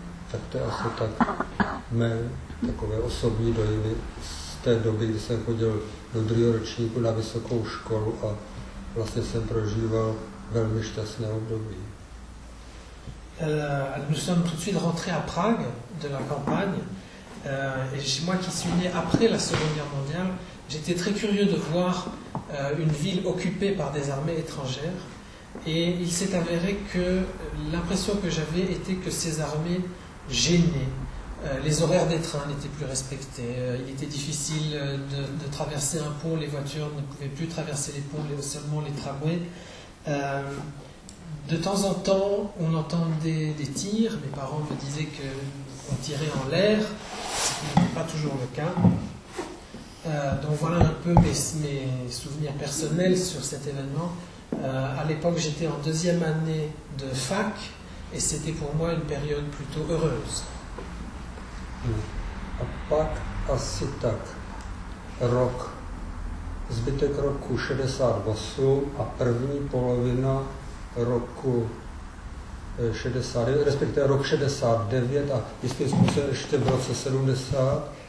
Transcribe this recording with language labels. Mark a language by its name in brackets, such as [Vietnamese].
[Czech] Tak to je asi tak mé takové osobní dojmy z té doby, kdy jsem chodil do druhého ročníku na vysokou školu a vlastně jsem prožíval velmi šťastné období. [French] Nous sommes tout de suite rentrés à Prague, de la campagne, et moi qui suis né après la Seconde Guerre mondiale, j'étais très curieux de voir une ville occupée par des armées étrangères, et il s'est avéré que l'impression que j'avais était que ces armées gênaient. Les horaires des trains n'étaient plus respectés, il était difficile de traverser un pont, les voitures ne pouvaient plus traverser les ponts, seulement les tramways. De temps en temps, on entendait des tirs. Mes parents me disaient qu'on tirait en l'air, ce qui n'était pas toujours le cas. Donc voilà un peu mes souvenirs personnels sur cet événement. À l'époque, j'étais en deuxième année de fac et c'était pour moi une période plutôt heureuse. [Czech] A pak asi tak rok, zbytek roku 68 a první polovina roku 69, respektive rok 69 a jistým způsobem ještě v roce 70.